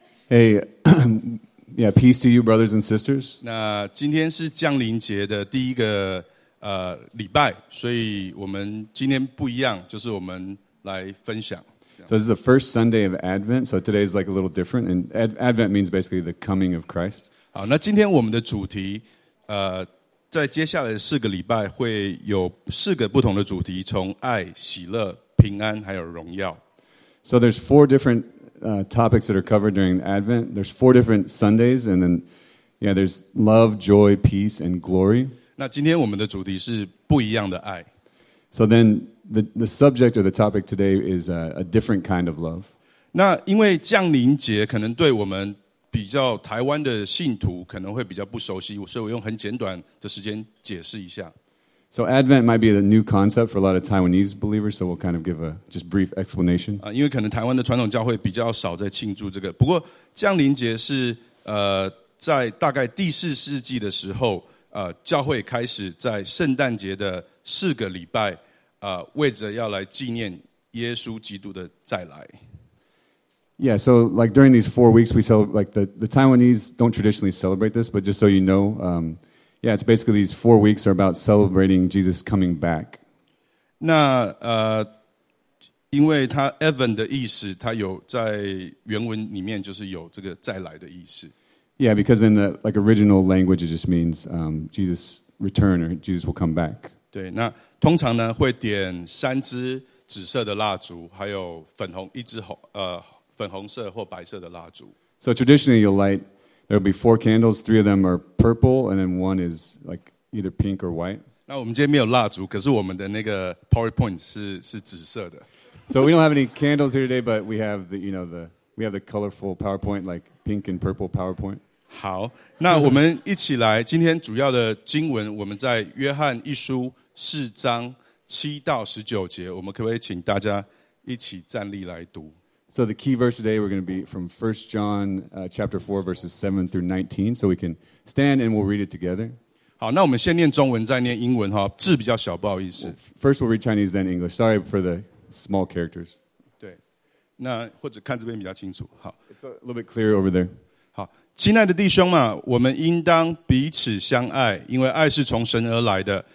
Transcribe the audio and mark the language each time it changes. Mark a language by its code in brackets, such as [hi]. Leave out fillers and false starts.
[en] Hey, yeah, peace to you, brothers and sisters. [zh] 那今天是降临节的第一个礼拜，所以我们今天不一样，就是我们来分享。 [en] So this is the first Sunday of Advent, so today is like a little different, and Advent means basically the coming of Christ. [zh] 好，那今天我们的主题，在接下来的四个礼拜会有四个不同的主题，从爱、喜乐、平安还有荣耀。 [en] So there's four different topics that are covered during Advent. There's four different Sundays, and then yeah, there's love, joy, peace, and glory. [zh] 那今天我们的主题是不一样的爱。 [en] So then the subject or the topic today is a different kind of love. [zh] 那因为降临节可能对我们比较台湾的信徒可能会比较不熟悉，所以我用很简短的时间解释一下。 [en] So Advent might be a new concept for a lot of Taiwanese believers, so we'll kind of give a just brief explanation. [zh] 因为可能台湾的传统教会比较少在庆祝这个。不过降临节是在大概第四世纪的时候，教会开始在圣诞节的四个礼拜，为着要来纪念耶稣基督的再来。 [en] Yeah, so like during these 4 weeks, we celebrate. Like the Taiwanese don't traditionally celebrate this, but just so you know. Yeah, it's basically these 4 weeks are about celebrating Jesus coming back. [zh] 那因为他 Advent 的意思，他有在原文里面就是有这个再来的意思。 [en] Yeah, because in the like original language, it just means Jesus return or Jesus will come back. [zh] 对，那通常呢会点三支紫色的蜡烛，还有粉红一支粉红色或白色的蜡烛。 [en] So traditionally, you'll light. There'll be four candles. Three of them are purple, and then one is like either pink or white. [zh] 那我们今天没有蜡烛，可是我们的那个 PowerPoint 是紫色的。 [en] So we don't have any candles here today, but we have the colorful PowerPoint, like pink and purple PowerPoint. [zh] 好，那我们一起来。今天主要的经文我们在约翰一书四章七到十九节。我们可不可以请大家一起站立来读？ [en] So the key verse today, we're going to be from 1 John chapter 4, verses 7 through 19. So we can stand and we'll read it together. [zh] 好，那我们先念中文，再念英文，字比较小，不好意思。 [en] First we'll read Chinese, then English. Sorry for the small characters. [zh] 对，那或者看这边比较清楚。好， [en] It's a little bit clearer over there. [zh] 好，亲爱的弟兄嘛，我们应当彼此相爱，因为爱是从神而来的。